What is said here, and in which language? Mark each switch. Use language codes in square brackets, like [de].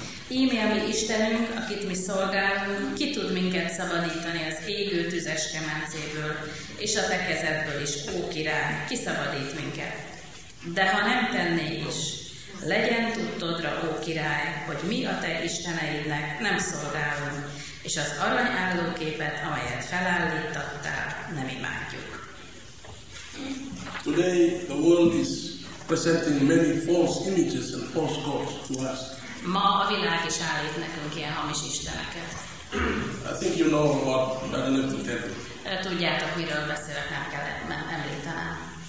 [hu] Íme a mi Istenünk, akit mi szolgálunk, ki tud minket szabadítani az égő tüzes kemencéből, és a te kezedből is, ó király, ki szabadít minket. De ha nem tenné is, legyen tudtodra, ó király, hogy mi a te isteneidnek nem szolgálunk, és az arany állóképet, amelyet felállítottál, nem imádjuk. [en] Today the world is presenting many false images and false gods to us. [hu] Ma a világ is állít nekünk ilyen hamis isteneket. [en] I think you know about Babylonian temple. [hu] Tudjátok, miről beszélek, nem kell említenem.